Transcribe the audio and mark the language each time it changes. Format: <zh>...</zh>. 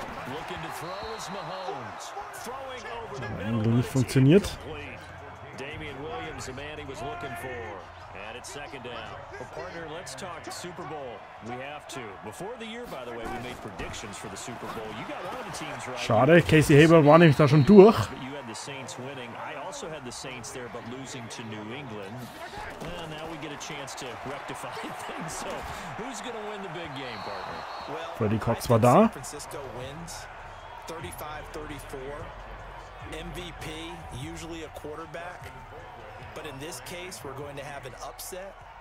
<en>Looking to throw is Mahomes. Throwing over the middle.</en> <de>Nicht funktioniert.</de> <en>Damien Williams, the man he was looking for. And it's second down. Well, partner, let's talk Super Bowl. We have to. Before the year, by the way, we made predictions for the Super Bowl. You got one of the teams right.</en> <de>Schade, Casey Haber war nämlich da schon durch.</de> <en>You had the Saints winning. I also had the Saints there, but losing to New England. Well, now we get a chance to rectify things. So, who's going to win the big game, partner? Well,</en> <de>Freddy Cox war da.</de> <en>San Francisco wins 35-34. MVP, usually a quarterback. But in this case, we're going to have an upset.</en>